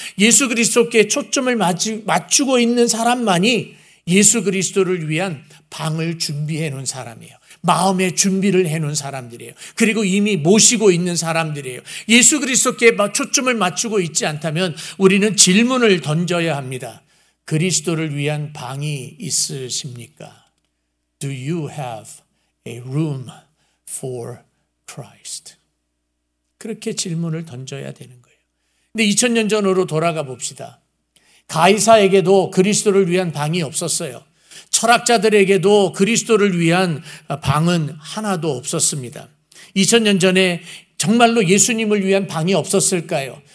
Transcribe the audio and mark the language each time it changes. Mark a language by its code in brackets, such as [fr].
[ko] 예수 그리스도께 초점을 맞추고 있는 사람만이 예수 그리스도를 위한 방을 준비해 놓은 사람이에요. 마음의 준비를 해놓은 사람들이에요. 그리고 이미 모시고 있는 사람들이에요. 예수 그리스도께 초점을 맞추고 있지 않다면 우리는 질문을 던져야 합니다. 그리스도를 위한 방이 있으십니까? [en] Do you have a room for Christ? [ko] 그렇게 질문을 던져야 되는 거예요. 근데 2000년 전으로 돌아가 봅시다. 가이사에게도 그리스도를 위한 방이 없었어요. 철학자들에게도 그리스도를 위한 방은 하나도 없었습니다. 2000년 전에 정말로 예수님을 위한 방이 없었을까요?